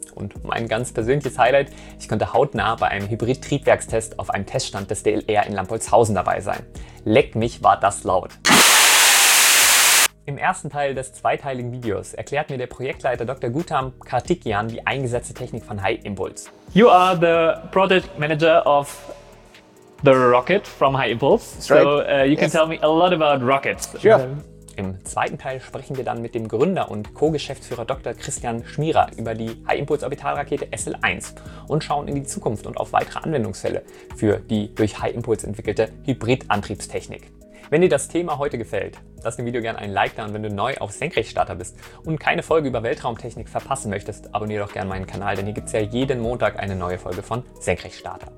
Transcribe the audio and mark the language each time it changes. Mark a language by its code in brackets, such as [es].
[de] Und mein ganz persönliches Highlight, ich konnte hautnah bei einem Hybrid-Triebwerkstest auf einem Teststand des DLR in Lampolzhausen dabei sein. Leck mich, war das laut. Im ersten Teil des zweiteiligen Videos erklärt mir der Projektleiter Dr. Gautam Kartikeyan die eingesetzte Technik von High Impulse. [en] You are the project manager of the rocket from High Impulse. So you can tell me a lot about rockets. Sure. [de] Im zweiten Teil sprechen wir dann mit dem Gründer und Co-Geschäftsführer Dr. Christian Schmierer über die High-Impulse-Orbitalrakete SL-1 und schauen in die Zukunft und auf weitere Anwendungsfälle für die durch High-Impulse entwickelte Hybrid-Antriebstechnik. Wenn dir das Thema heute gefällt, lass dem Video gerne ein Like da, und wenn du neu auf Senkrechtstarter bist und keine Folge über Weltraumtechnik verpassen möchtest, abonniere doch gerne meinen Kanal, denn hier gibt es ja jeden Montag eine neue Folge von Senkrechtstarter.